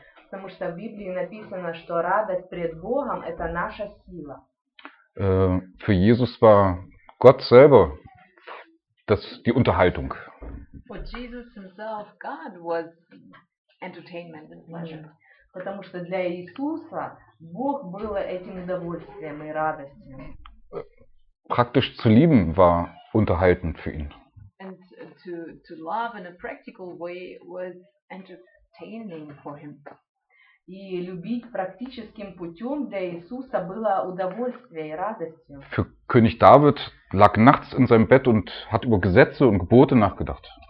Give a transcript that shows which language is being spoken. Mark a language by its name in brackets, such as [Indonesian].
[Russian] Потому что в Библии написано, что радость пред Богом это наша сила. [German] Für Jesus war Gott selber das die Unterhaltung. [English] For Jesus himself, God was entertainment and pleasure. [Russian] Потому что для Иисуса Бог было этим удовольствием и радостью. [German] Praktisch zu lieben war unterhaltend für ihn. [English] And to love in a practical way was entertaining for him. [Russian] И любить практическим путем для Иисуса было удовольствием и радостью. [German] Für König David lag nachts in seinem Bett und hat über Gesetze und Gebote nachgedacht.